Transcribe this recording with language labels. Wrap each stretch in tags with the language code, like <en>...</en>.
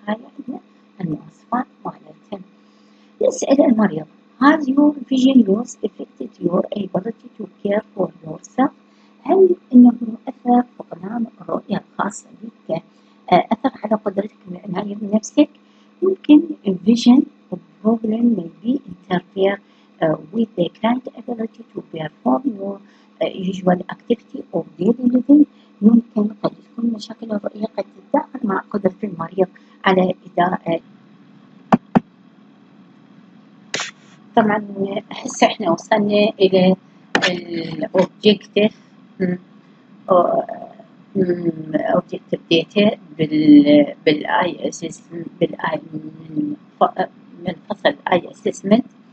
<ar>هاي عندنا المواصفات مالتها. نسأل المريض</ar> <en>Has your vision loss affected your ability to care for yourself؟</en> <ar>هل إنه أثر فقدان الرؤية الخاصة بك أثر على قدرتك العناية بنفسك؟ ممكن</ar> <en>vision problem may be interfere with the client ability to perform your usual activity of daily living.</en> <ar>ممكن قد تكون مشاكل الرؤية قد تتداخل مع قدرة المريض على إداء. طبعا أحس إحنا وصلنا إلى الأوبجيكتيف أوبجيكتيف داتا بالآي أسسمنت من فصل الآي أسسمنت.</ar>